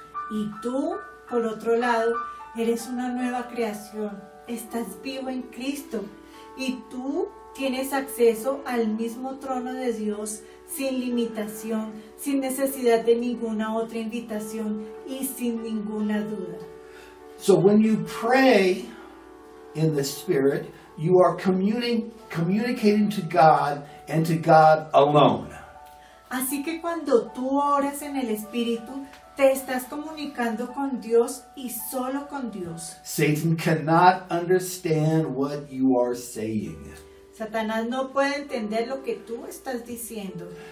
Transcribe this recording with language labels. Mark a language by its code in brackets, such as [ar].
[es] Y tú, por otro lado, Eres una nueva creación. Estás vivo en Cristo. Y tú tienes acceso al mismo trono de Dios sin limitación, sin necesidad de ninguna otra invitación y sin ninguna duda. [en] So when you pray in the Spirit, you are communicating to God and to God alone. [es] Así que cuando tú oras en el Espíritu, te estás comunicando con Dios y solo con Dios. [en] Satan cannot understand what you are saying. [es] Satanás no puede entender lo que tú estás diciendo.